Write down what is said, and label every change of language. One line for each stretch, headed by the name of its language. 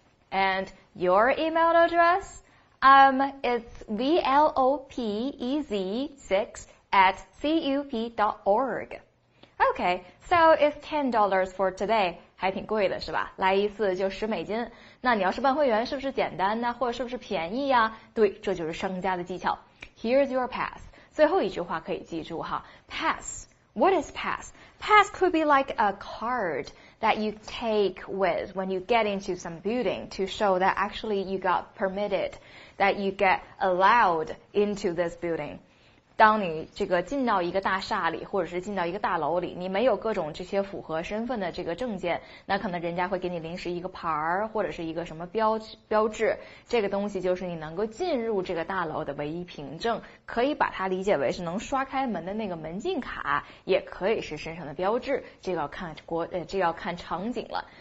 English: And your email address? It's VLOPEZ6@CUP.org. Okay, so it's $10 for today.
Chinese: 还挺贵的是吧？来一次就$10。那你要是办会员是不是简单呢？或者是不是便宜呀？对，这就是商家的技巧。
English: Here's your pass.
Chinese: 最后一句话可以记住哈。
English: Pass. What is pass? Pass could be like a card that you take with when you get into some building to show that actually you got permitted, that you get allowed into this building.
Chinese: 当你这个进到一个大厦里或者是进到一个大楼里，你没有各种这些符合身份的这个证件，那可能人家会给你临时一个牌儿或者是一个什么标志，这个东西就是你能够进入这个大楼的唯一凭证，可以把它理解为是能刷开门的那个门禁卡，也可以是身上的标志，这要看场景了。